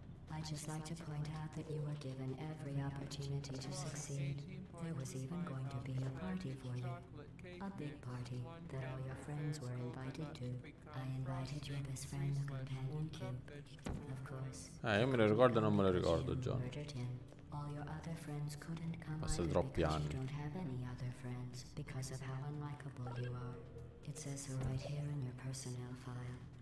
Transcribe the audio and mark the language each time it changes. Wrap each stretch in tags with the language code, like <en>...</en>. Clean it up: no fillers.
<en>I just like to point out that you were given every opportunity to succeed. There was even going to be a party for you. A big party that all your friends were invited to. I invited your best friend, the companion cube. Of course.</en> <it>Io me lo ricordo, non me lo ricordo, John.</it> <en>All your other friends couldn't come either because you don't have any other friends because of how unlikable you are. It says right here in your personnel file.</en>